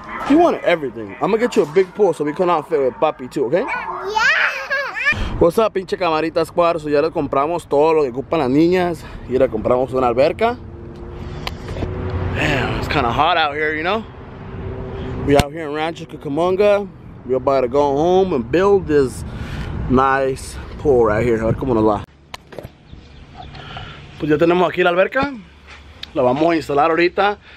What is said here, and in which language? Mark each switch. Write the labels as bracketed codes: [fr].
[en] You want everything. I'm gonna get you a big pool so we can outfit with Papi too, okay? Yeah. What's up, [es] pinche camarita [en] squad? [es] So ya le compramos todo lo que ocupan las niñas. Y le compramos una alberca. [en] Damn, it's kind of hot out here, you know? We out here in Rancho Cucamonga. We about to go home and build this nice pool right here. [es] A ver cómo nos va. Pues ya tenemos aquí la alberca. La vamos a instalar ahorita.